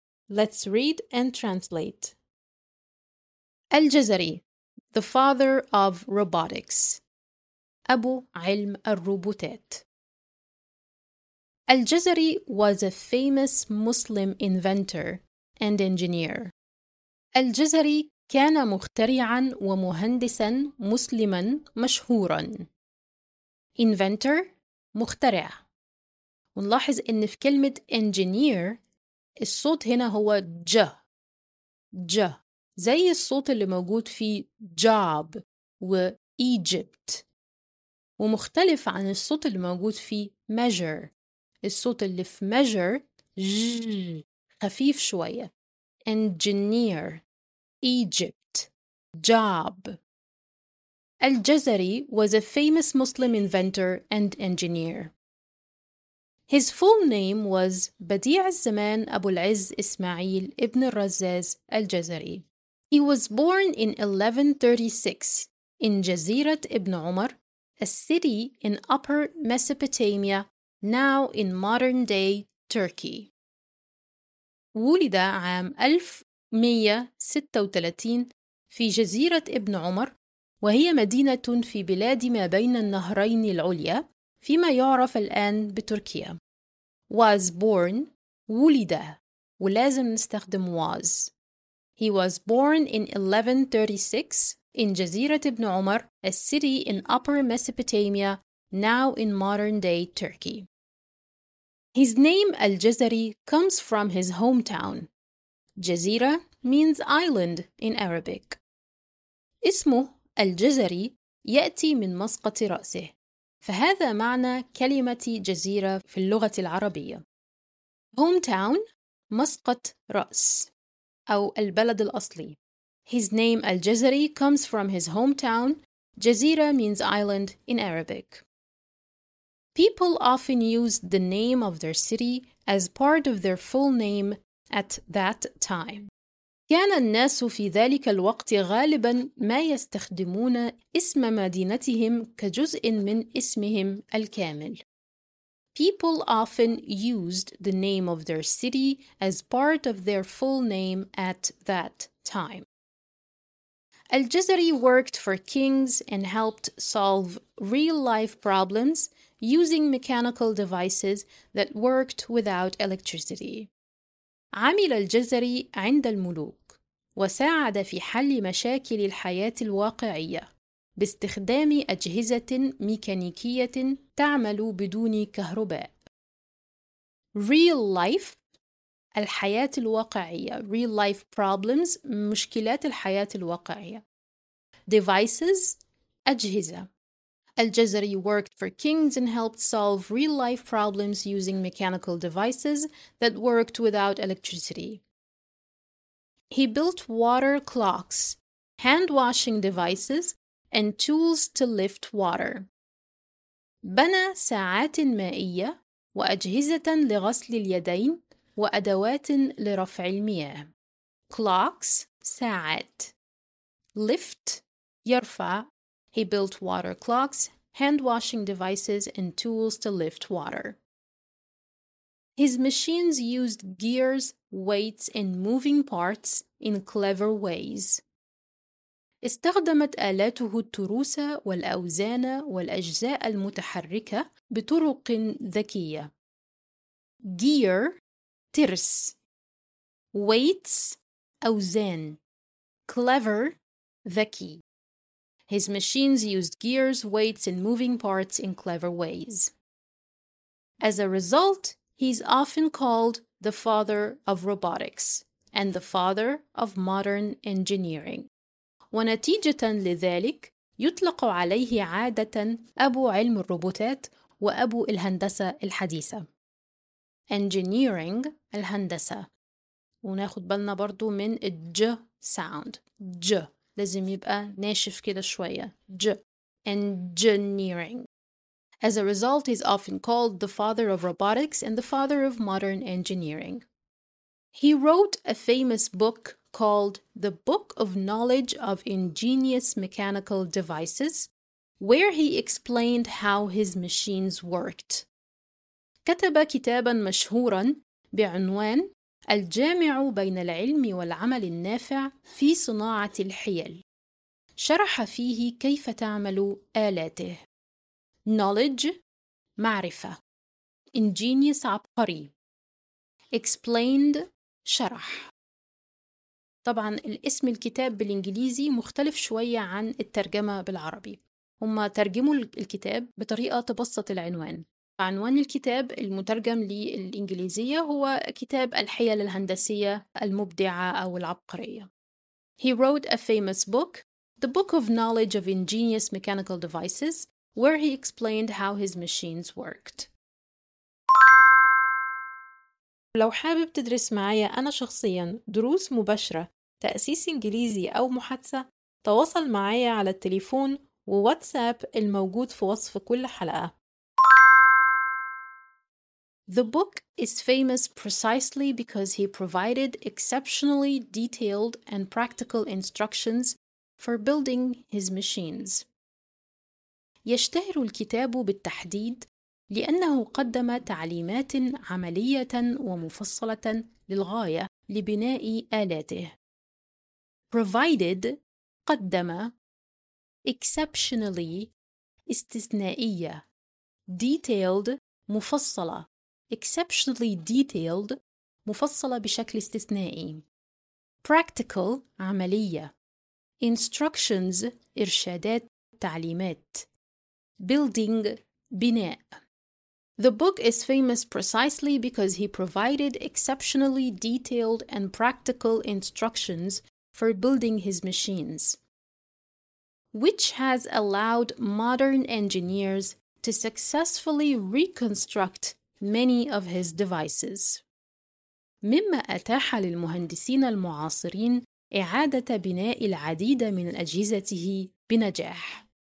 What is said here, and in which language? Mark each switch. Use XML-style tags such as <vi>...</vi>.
<en>Let's read and translate. الجزري, the father of robotics.</en> <ar>أبو علم الروبوتات.</ar> <en>الجزري was a famous Muslim inventor and engineer.</en> <ar>الجزري كان مخترعاً ومهندساً مسلماً مشهوراً.</ar> <en>Inventor مخترع.</en> <ar>ونلاحظ إن في كلمة engineer الصوت هنا هو ج. ج زي الصوت اللي موجود في job و Egypt، ومختلف عن الصوت اللي موجود في measure. الصوت اللي في measure ج خفيف شوية.</ar> <en>Engineer Egypt job. الجزري was a famous Muslim inventor and engineer. His full name was بديع الزمان أبو العز إسماعيل ابن الرزاز الجزري. He was born in 1136 in جزيرة ابن عمر, a city in Upper Mesopotamia, now in modern-day Turkey.</en> <ar>ولد عام 1136 في جزيرة ابن عمر, وهي مدينة في بلاد ما بين النهرين العليا فيما يعرف الآن بتركيا.</ar> <en>Was born,</en> <ar>ولد, ولازم نستخدم was.</ar> <en>He was born in 1136 in جزيرة ابن عمر, a city in Upper Mesopotamia, now in modern-day Turkey. His name Al-Jazari comes from his hometown. جزيرة means island in Arabic.</en> <ar>اسمه الجزري يأتي من مسقط رأسه, فهذا معنى كلمة جزيرة في اللغة العربية. Hometown مسقط رأس أو البلد الأصلي.</ar> <en>His name Al-Jazari comes from his hometown. جزيرة means island in Arabic. People often used the name of their city as part of their full name at that time.</en> <ar>كان الناس في ذلك الوقت غالباً ما يستخدمون اسم مدينتهم كجزء من اسمهم الكامل.</ar> <en>People often used the name of their city as part of their full name at that time. الجزري worked for kings and helped solve real-life problems using mechanical devices that worked without electricity.</en> <ar>عمل الجزري عند الملوك وساعد في حل مشاكل الحياة الواقعية باستخدام أجهزة ميكانيكية تعمل بدون كهرباء.</ar> <en>Real life</en> <ar>الحياة الواقعية.</ar> <en>Real life problems</en> <ar>مشكلات الحياة الواقعية.</ar> <en>Devices أجهزة. الجزري worked for kings and helped solve real-life problems using mechanical devices that worked without electricity. He built water clocks, hand-washing devices, and tools to lift water.</en> <ar>بنى ساعات مائية وأجهزة لغسل اليدين وأدوات لرفع المياه.</ar> <en>Clocks, ساعات. Lift, يرفع. He built water clocks, hand-washing devices, and tools to lift water. His machines used gears, weights, and moving parts in clever ways.</en> <ar>استخدمت آلاته التروس والأوزان والأجزاء المتحركة بطرق ذكية.</ar> <en>Gear, ترس. Weights, أوزان. Clever, ذكي. His machines used gears, weights, and moving parts in clever ways. As a result, he's often called the father of robotics and the father of modern engineering.</en> <ar>ونتيجة لذلك يطلق عليه عادة أبو علم الروبوتات وأبو الهندسة الحديثة.</ar> <en>Engineering الهندسة.</en> <ar>وناخد بالنا برضو من الج sound. ج لازم يبقى ناشف كده شوية.</ar> <en>ج. Engineering. As a result, he's often called the father of robotics and the father of modern engineering. He wrote a famous book called The Book of Knowledge of Ingenious Mechanical Devices, where he explained how his machines worked.</en> <ar>كتب كتابا مشهورا بعنوان الجامع بين العلم والعمل النافع في صناعة الحيل. شرح فيه كيف تعمل آلاته. Knowledge معرفة. Ingenious عبقري. Explained شرح. طبعا الاسم الكتاب بالانجليزي مختلف شوية عن الترجمة بالعربي. هما ترجموا الكتاب بطريقة تبسط العنوان. عنوان الكتاب المترجم للإنجليزية هو كتاب الحيل الهندسية المبدعة أو العبقرية.</ar> <en>He wrote a famous book, The Book of Knowledge of Ingenious Mechanical Devices, where he explained how his machines worked.</en> <ar>لو حابب تدرس معايا أنا شخصياً دروس مباشرة تأسيس إنجليزي أو محادثة، تواصل معايا على التليفون وواتساب الموجود في وصف كل حلقة.</ar> <en>The book is famous precisely because he provided exceptionally detailed and practical instructions for building his machines.</en> <ar>يشتهر الكتاب بالتحديد لأنه قدم تعليمات عملية ومفصلة للغاية لبناء آلاته. Provided قدم exceptionally استثنائية detailed مفصلة</ar> <en>exceptionally detailed</en> <ar>مفصلة بشكل استثنائي practical عملية instructions إرشادات تعليمات building بناء.</ar> <en>The book is famous precisely because he provided exceptionally detailed and practical instructions for building his machines, which has allowed modern engineers to successfully reconstruct many of his devices.</en> <ar>مما أتاح للمهندسين المعاصرين إعادة بناء العديد من أجهزته بنجاح.</ar>